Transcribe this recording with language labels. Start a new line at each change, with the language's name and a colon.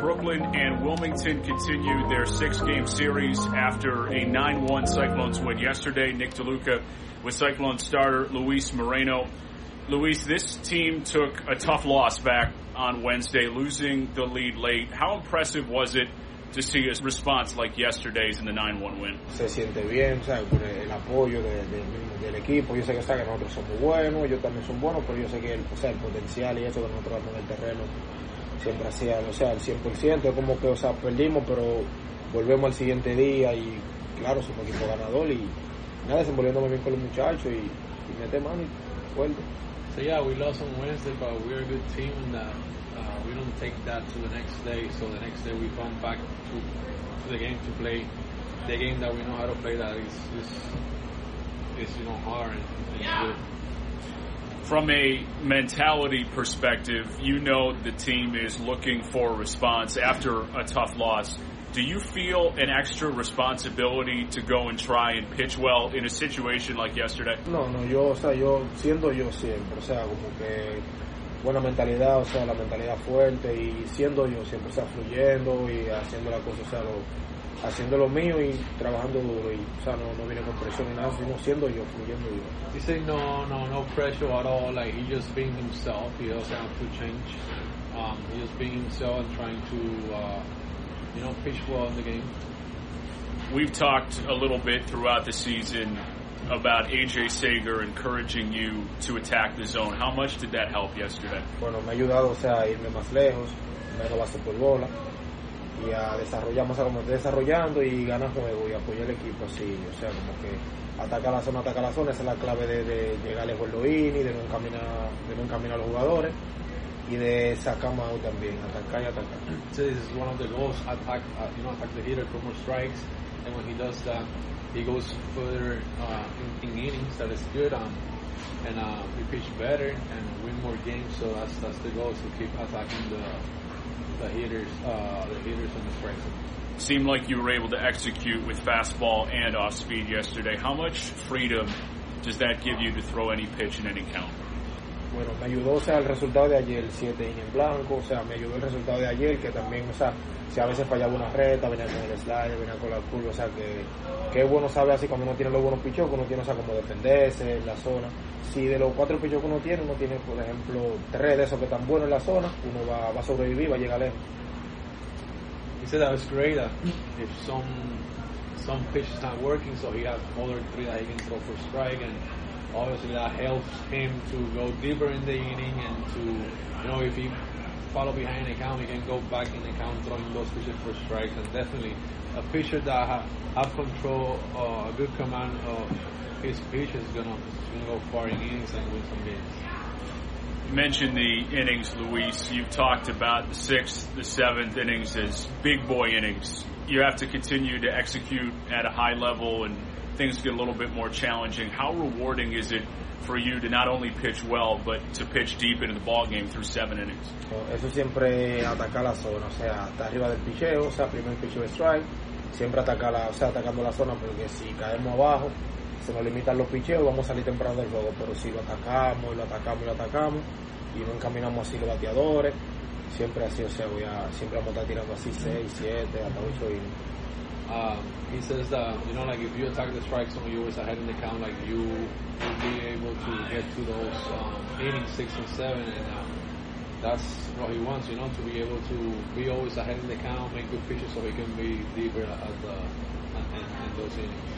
English: Brooklyn and Wilmington continued their six-game series after a 9-1 Cyclones win yesterday. Nick DeLuca with Cyclones starter Luis Moreno. Luis, this team took a tough loss back on Wednesday, losing the lead late. How impressive was it to see a response like yesterday's in the 9-1 win?
Spanish: Se siente bien, ¿sabes? Por el apoyo del equipo. Yo sé que, o sea, que nosotros somos buenos, yo también son buenos, pero yo sé que el, o sea, el potencial y eso que nosotros damos en el terreno siempre hacía, o sea, el 100%. Es como que, o sea, perdimos, pero volvemos al siguiente día y, claro, somos equipo ganador y desenvolviéndome bien con los muchachos y mete mano y fuerte.
English: So yeah, we lost on Wednesday, but we're a good team and we don't take that to the next day. So the next day we come back to the game to play the game that we know how to play, that is you know, hard and yeah. Good. From a mentality perspective, you know the team is looking for a response after a tough loss. Do you feel an extra responsibility to go and try and pitch well in a situation like yesterday?
Spanish: No, yo, o sea, yo siendo yo siempre, o sea, como que buena mentalidad, o sea, la mentalidad fuerte y siendo yo siempre, o sea, fluyendo y haciendo la cosa, o sea, haciendo lo mío y trabajando duro y, o sea, no viene con presión ni nada, sino siendo yo, fluyendo yo.
English: He said no pressure at all, like he just being himself, he doesn't have to change. He just being himself and trying to you know, pitch well in the game. We've talked a little bit throughout the season about AJ Sager encouraging you to attack the zone. How much did that help yesterday?
Spanish: Bueno, me ha ayudado, o sea, a irme más lejos, menos base por bola, y a desarrollar, más a como estoy desarrollando y ganar juego y apoyar el equipo así, o sea, como que ataca la zona, esa es la clave de llegar lejos en los innings, de no encaminar a los jugadores. Y de sacar más también, atacar y atacar.
English: So this is one of the goals, attack the hitter for more strikes. And when he does that, he goes further in innings, that is good. And we pitch better and win more games. So that's the goal, to keep attacking the hitters and the strikes. Seemed like you were able to execute with fastball and off speed yesterday. How much freedom does that give you to throw any pitch in any count?
Spanish: Bueno, me ayudó, o sea, el resultado de ayer, 7 innings en blanco, o sea, me ayudó el resultado de ayer, que también, o sea, si a veces fallaba una recta, venía con el slider, venía con la curva, o sea, que es bueno saber así cuando uno tiene los buenos pichos que uno tiene, o sea, como defenderse en la zona. Si de los 4 pichos que uno tiene, por ejemplo, 3 de esos que están buenos en la zona, uno va a sobrevivir, va a llegar lejos.
English: He said that was great, that if some pitches aren't working, so he has other 3 that he can throw for strike, and obviously that helps him to go deeper in the inning and to, you know, if he follow behind the count, he can go back in the count throwing those pitches for strikes. And definitely a pitcher that have control or a good command of his pitch is gonna go far in innings and win some games. You mentioned the innings, Luis. You've talked about the 6th, the 7th innings as big boy innings. You have to continue to execute at a high level and things get a little bit more challenging. How rewarding is it for you to not only pitch well, but to pitch deep into the ball game through 7 innings?
Spanish: Eso siempre atacar la zona, o sea, hasta arriba del picheo, o sea, primer picheo strike, siempre atacar la, o sea, atacando la zona, porque si caemos abajo, se nos limitan los picheos, vamos a salir temprano del juego, pero si lo atacamos y no encaminamos así los bateadores, siempre así, o sea, siempre vamos a estar tirando así 6, 7, hasta 8 innings.
English: He says that, you know, like if you attack the strike zone, you're always ahead in the count, like you will be able to get to those innings 6 and 7, and that's what he wants, you know, to be able to be always ahead in the count, make good pitches so he can be deeper at those innings.